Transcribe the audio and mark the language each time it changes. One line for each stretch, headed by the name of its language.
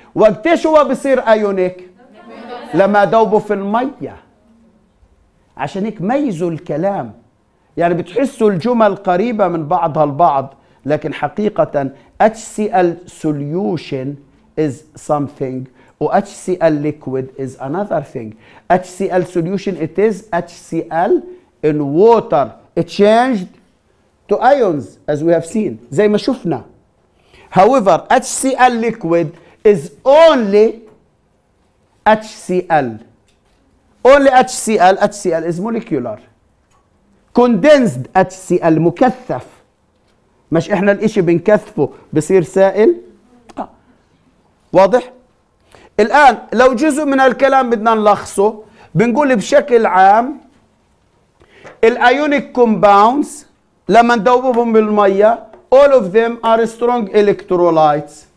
Arabic: وقتش هو بصير ionic؟ لما دوبه في المية. عشان هيك ميزوا الكلام، يعني بتحسوا الجمل قريبة من بعضها البعض، لكن حقيقة
English: HCl solution is something
Arabic: و
English: HCl liquid is another thing. HCl solution it is HCl in water it changed to ions as we have seen،
Arabic: زي ما شفنا.
English: However, HCl liquid is only HCl. Only HCl. HCl is molecular. Condensed HCl
Arabic: مكثف. مش احنا الاشي بنكثفه بصير سائل؟ واضح؟ الان لو جزء من الكلام بدنا نلخصه بنقول بشكل عام الايونيك كومباوندز لما ندوبهم بالمية
English: all of them are strong electrolytes.